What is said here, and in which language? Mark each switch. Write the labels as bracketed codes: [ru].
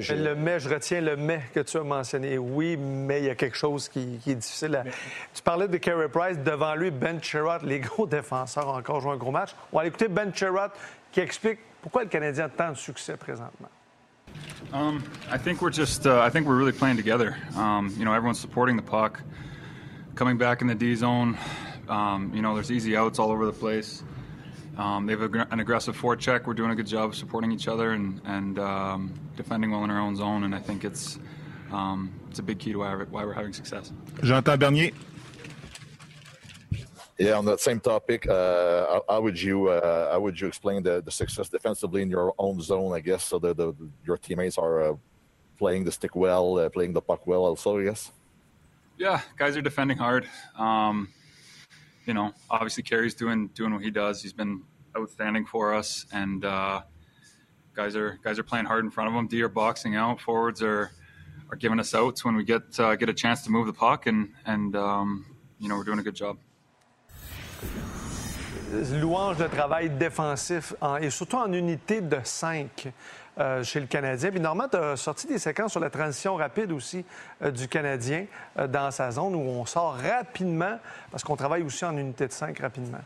[fr] J'ai... Le mais, je retiens le mais que tu as mentionné. Oui, mais il y a quelque chose qui est difficile. À... Tu parlais de Carey Price. Devant lui, Ben Chiarot, les gros défenseurs, ont encore joué un gros match. On va écouter Ben Chiarot qui explique pourquoi le Canadien a tant de succès présentement. [en] I think we're really playing together. Everyone's supporting the puck, coming back in the D zone. There's easy outs all over the place. They have an aggressive forecheck. We're doing a good job of supporting each other and defending well in our own zone. And I think it's a big key to why we're having success. [fr] Jean-Antoine Bernier. [en] Yeah, on that same topic, how would you explain the success defensively in your own zone, I guess, so that your teammates are playing the stick well, playing the puck well also, I guess? Yeah, guys are defending hard. Obviously Carey's doing what he does. He's been outstanding for us, and guys are playing hard in front of him. D are boxing out. Forwards are giving us outs when we get a chance to move the puck, and we're doing a good job. [fr] Louange de travail défensif et surtout en unité de 5 chez le Canadien. Puis Normand, tu as sorti des séquences sur la transition rapide aussi du Canadien dans sa zone où on sort rapidement parce qu'on travaille aussi en unité de 5 rapidement.